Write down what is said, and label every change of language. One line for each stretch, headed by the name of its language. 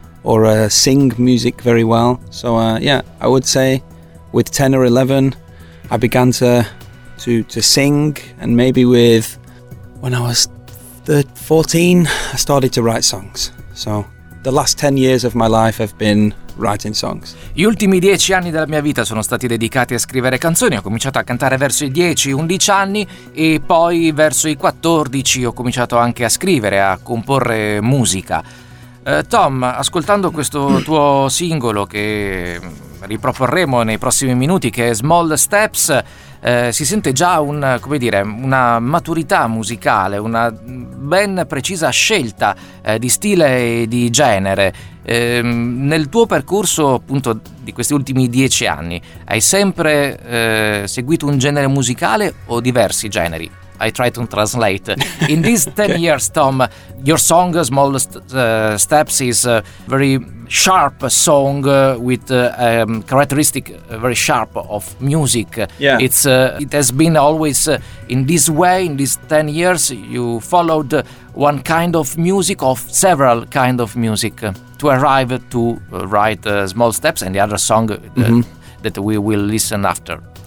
English: Or sing music very well. So yeah, I would say with 10 or 11 I began to sing, and maybe with when I was 14 I started to write songs. So the last 10 years of my life have been writing songs.
Italian: Gli ultimi 10 anni della mia vita sono stati dedicati a scrivere canzoni. Ho cominciato a cantare verso i 10-11 anni e poi verso i 14 ho cominciato anche a scrivere, a comporre musica. Tom, ascoltando questo tuo singolo che riproporremo nei prossimi minuti, che è Small Steps, si sente già una maturità musicale, una ben precisa scelta di stile e di genere. Nel tuo percorso, appunto, di questi ultimi 10 anni, hai sempre seguito un genere musicale o diversi generi?
English: I try to translate. In these 10 okay. years, Tom, your song Small Steps is a very sharp song with characteristic very sharp of music. Yeah. It's it has been always in this way. In these 10 years you followed one kind of music or several kind of music to arrive to write Small Steps and the other song that we will listen after.